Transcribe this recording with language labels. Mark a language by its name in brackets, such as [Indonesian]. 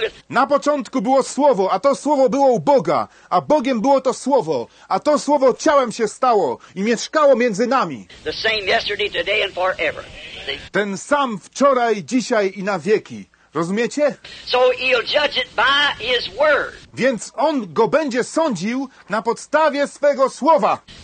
[Polish] Na początku było Słowo, a to Słowo było u Boga, a Bogiem było to Słowo, a to Słowo ciałem się stało i mieszkało między nami. [English] The same yesterday, today and forever. [Polish] Ten sam wczoraj, dzisiaj i na wieki. Rozumiecie? [English] So he'll judge it by his word. [Polish] Więc on go będzie sądził na podstawie swego słowa.